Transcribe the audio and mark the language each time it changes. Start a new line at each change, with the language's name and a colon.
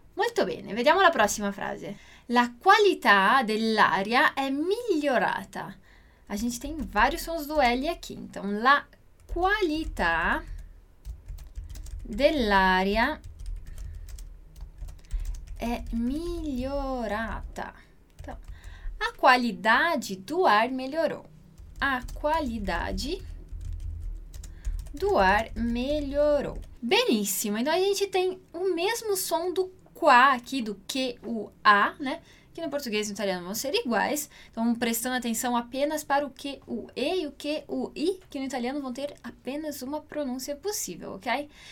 Italian: Molto bene, vediamo la prossima frase. La qualità dell'aria è migliorata.
Portuguese: A gente tem vários sons do L aqui.
Italian: Então, la qualità dell'aria è migliorata.
Portuguese: A qualidade do ar melhorou. A qualidade do ar melhorou. Beníssimo. Então a gente tem o mesmo som do qua aqui, do que o a, né? Que no português e no italiano vão ser iguais. Então prestando atenção apenas para o que o e e o que o i, que no italiano vão ter apenas uma pronúncia possível, ok?